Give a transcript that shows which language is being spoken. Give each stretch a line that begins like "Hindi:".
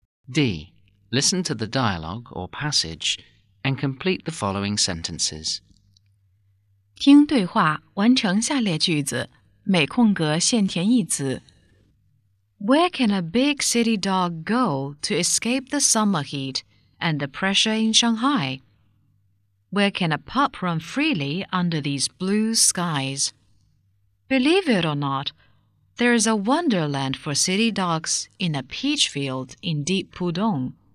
English: D. Listen to the dialogue or passage and complete the following sentences.
Chinese: 听对话，完成下列句子，每空格限填一词。
English: Where can a big city dog go to escape the summer heat and the pressure in Shanghai? Where can a pup run freely under these blue skies? Believe it or not, there is a wonderland for city dogs in a peach field in deep Pudong.